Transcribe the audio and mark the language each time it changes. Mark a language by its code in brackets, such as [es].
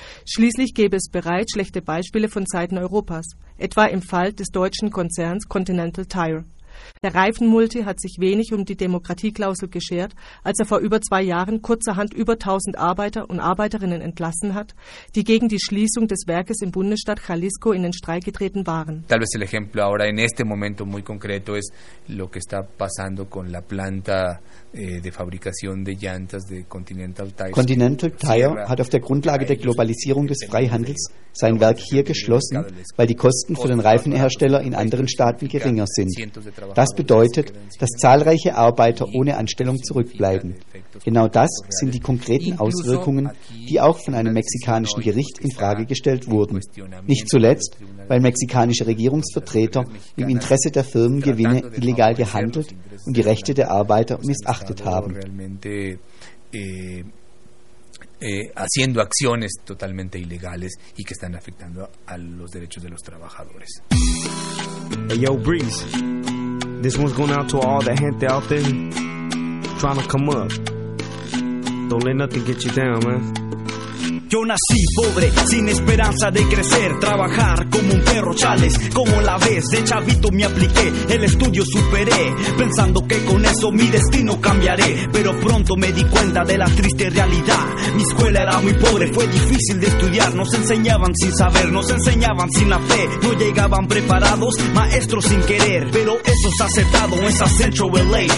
[de] Schließlich gäbe es bereits schlechte Beispiele von Seiten Europas, etwa im Fall des deutschen Konzerns Continental Tire. Der Reifenmulti hat sich wenig um die Demokratieklausel geschert, als er vor über 2 Jahren kurzerhand über 1000 Arbeiter und Arbeiterinnen entlassen hat, die gegen die Schließung des Werkes im Bundesstaat Jalisco in den Streik getreten waren. [es] Tal vez el ejemplo ahora en este momento muy concreto es lo que está pasando con la planta de fabricación de llantas de Continental Tire. [de] Continental Tire hat auf der Grundlage der Globalisierung des Freihandels sein Werk hier geschlossen, weil die Kosten für den Reifenhersteller in anderen Staaten geringer sind. Das bedeutet, dass zahlreiche Arbeiter ohne Anstellung zurückbleiben. Genau das sind die konkreten Auswirkungen, die auch von einem mexikanischen Gericht in Frage gestellt wurden. Nicht zuletzt, weil mexikanische Regierungsvertreter im Interesse der Firmengewinne illegal gehandelt und die Rechte der Arbeiter missachtet haben. [es] Haciendo acciones totalmente ilegales y que están afectando a los derechos de los trabajadores. [en] Hey yo, Breeze. This one's going out to all the gente out there trying to come up. Don't let nothing get you down, man. [es] Yo nací pobre, sin esperanza de crecer, trabajar como un perro chales, como la vez de chavito me apliqué, el estudio superé, pensando que con eso mi destino cambiaré, pero pronto me di cuenta de la triste realidad, mi escuela era muy pobre, fue difícil de estudiar, nos enseñaban sin saber, nos enseñaban sin la fe, no llegaban preparados, maestros sin querer, pero eso es aceptado, es a Central LA,